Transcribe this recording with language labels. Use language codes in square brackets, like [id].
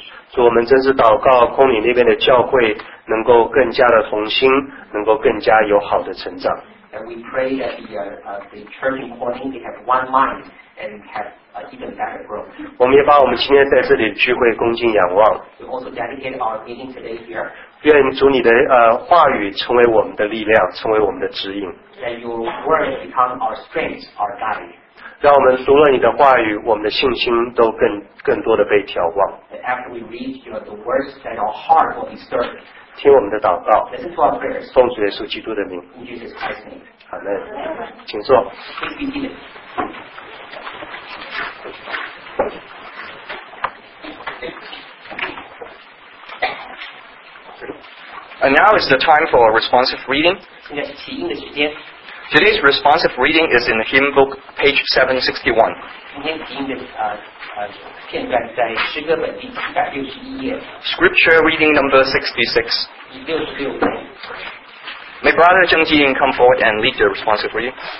[zh] 主，我们真是祷告 Corning 那边的教会能够更加的同心，能够更加有好的成长。 [en] And we pray that the church in Corning they have one mind and have even better growth. [zh] 我们也把我们今天在这里聚会恭敬仰望。 [en] We also dedicate our meeting today here. [zh] 愿主你的话语成为我们的力量，成为我们的指引。 [en] That your word become our strength, our guide. [zh] 让我们读了你的话语，我们的信心都更多的被挑旺。 [en] After we read the words, that our heart will be stirred. [zh] 听我们的祷告。 [en] Listen to our prayers. [zh] 奉主耶稣基督的名。 [en] In Jesus Christ's name. [zh] 好的，请坐。 [en] Please be seated. [zh] 今天是 [en] time for responsive reading. [zh] 今天是起音的时间。 [en] Today's responsive reading is in the hymn book, page 761. [zh] 今天提音的片段在诗歌本第761页。 [en] Scripture reading number 66. 66. May Brother Zheng Jiyin come forward and lead the responsive reading.